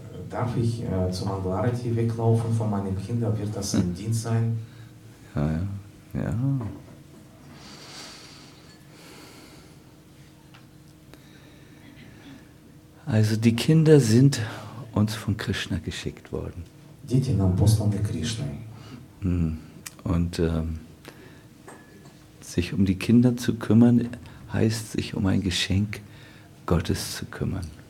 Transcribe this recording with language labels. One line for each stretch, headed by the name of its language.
German: Darf ich zu Mangalarati weglaufen von meinen Kindern? Wird das ein Dienst sein? Ja, ja, ja. Also die Kinder sind uns von Krishna geschickt worden.
Russian: Дети нам посланы Кришной.
German: Und sich um die Kinder zu kümmern, heißt, sich um ein Geschenk Gottes zu kümmern.